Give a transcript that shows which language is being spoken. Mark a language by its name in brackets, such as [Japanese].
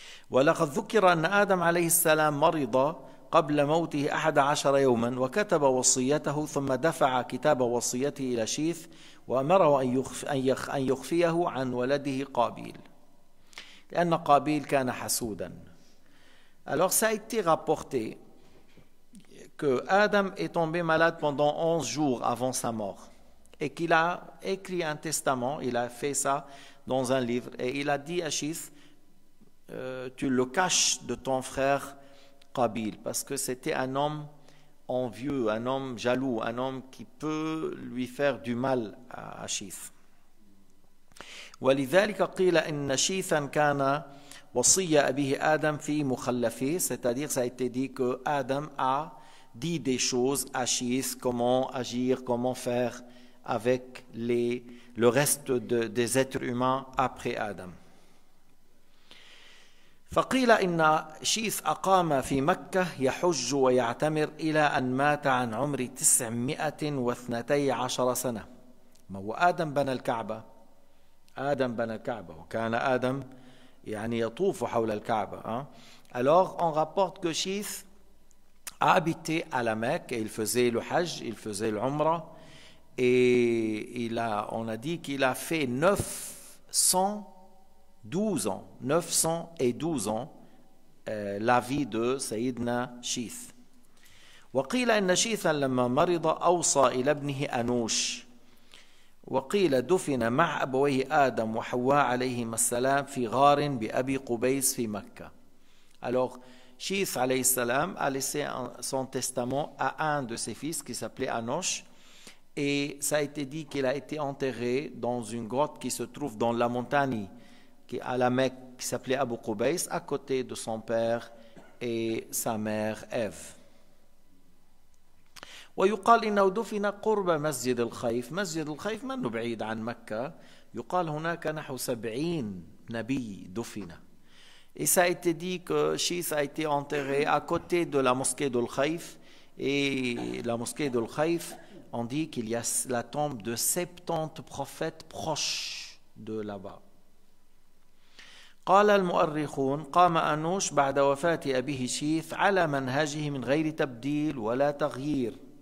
[Arabic] ولقد ذكر أن آدم عليه السلام مرض قبل موته 11 يوما وكتب وصيته ثم دفع كتاب وصيته إلى شيث وأمره أن يخفيه عن ولده قابيل لأن قابيل كان حسودا. [French] Alors ça a été rapporté que Adam est tombé malade pendant 11 jours avant sa mort et qu'il a écrit un testament, il a fait ça dans un livre et il a dit à Chif, tu le caches de ton frère Kabil, parce que c'était un homme envieux, un homme jaloux, un homme qui peut lui faire du mal à Chif. [Arabic] ولذلك قيل ان شيثا كان وصي ابيه ادم في مخلفه, [French] c'est-à-dire ça a été dit que Adam a dit des choses à Chif, comment agir, comment faire avec le reste des êtres humains après Adam. [Arabic] فقيل ان شيث اقام في مكه يحج ويعتمر الى ان مات عن عمر 912 سنه. ما هو ادم بنى الكعبه, Adam ben al-Ka'ba, وكان Adam يعني يطوف حول الكعبه. [French] Alors on rapporte que Chif a habité à la Mecque et il faisait le Hajj, il faisait l'Umra et on a dit qu'il a fait 912 ans, 912 ans la vie de Sayyidina Chif. [Arabic] وقيل ان شيف لما مرض اوصى الى ابنه انوش وقيل دفن مع أبويه آدم وحواء عليهما السلام في غار بأبي قبيس في مكة. [French] Alors, Chif [Arabic] عليه السلام [French] a laissé son testament à un de ses fils qui s'appelait Anosh, et ça a été dit qu'il a été enterré dans une grotte qui se trouve dans la montagne qui à la Mecque qui s'appelait Abu Qubays, à côté de son père et sa mère Eve. [Arabic] ويقال إنه دفن قرب مسجد الخيف. مسجد الخيف منه بعيد عن مكة. يقال هناك نحو 70 نبي دفن. [French] Et ça a été dit que Chif a été enterré à côté de la mosquée du Khayf. Et la mosquée du Khayf, on dit qu'il y a la tombe de 70 prophètes proches de là-bas. [Arabic] قال المؤرخون قام أنوش بعد وفاة أبيه شيث على منهجه من غير تبديل ولا تغيير.